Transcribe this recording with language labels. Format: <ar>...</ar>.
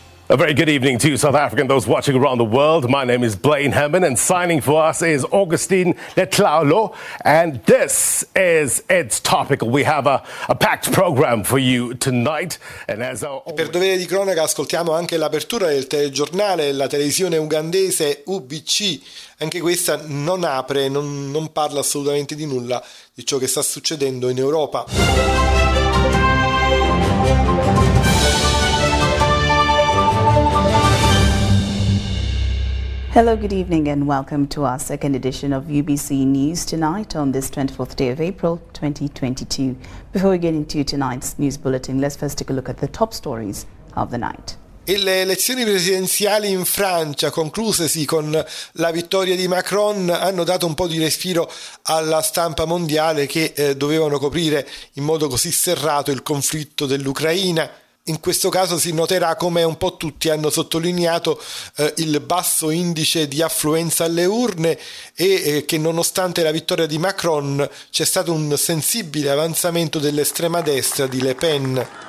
<en>A very good evening to you, South Africa, and those watching around the world. My name is Blaine Herman, and signing for us is Augustine Letlaulo, and this is Ed's Topical. We have a packed program for you tonight. And as always...</en> <it>Per dovere di cronaca, ascoltiamo anche l'apertura del telegiornale, la televisione ugandese UBC. Anche questa non apre, non parla assolutamente di nulla di ciò che sta succedendo in Europa.</it> <en>Hello, good evening, and welcome to our second edition of UBC News tonight on this 24th day of April 2022. Before we get into tonight's news bulletin, let's first take a look at the top stories of the night.</en> <it>E le elezioni presidenziali in Francia, conclusesi con la vittoria di Macron, hanno dato un po' di respiro alla stampa mondiale che dovevano coprire in modo così serrato il conflitto dell'Ucraina. In questo caso si noterà, come un po' tutti hanno sottolineato, il basso indice di affluenza alle urne e che nonostante la vittoria di Macron c'è stato un sensibile avanzamento dell'estrema destra di Le Pen.</it>